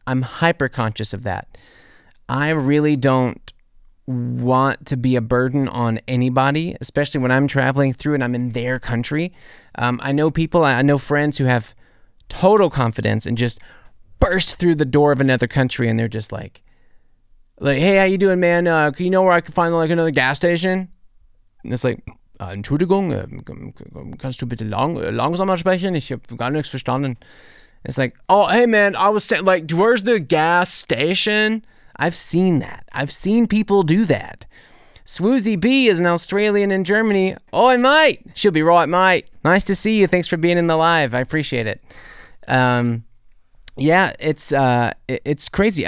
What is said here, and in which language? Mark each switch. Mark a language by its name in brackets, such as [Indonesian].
[English] I'm hyper-conscious of that. I really don't want to be a burden on anybody, especially when I'm traveling through and I'm in their country. I know people, I know friends who have total confidence and just burst through the door of another country and they're just like, hey, how you doing, man? Can you know where I can find like another gas station? And it's like, [German] Entschuldigung, kannst du bitte langsamer sprechen? Ich habe gar nichts verstanden. [English] It's like, oh, hey, man, I was saying, like, where's the gas station? I've seen that. I've seen people do that. Swoozy B is an Australian in Germany. Oi, mate. She'll be right, mate. Nice to see you. Thanks for being in the live. I appreciate it. Yeah, it's crazy.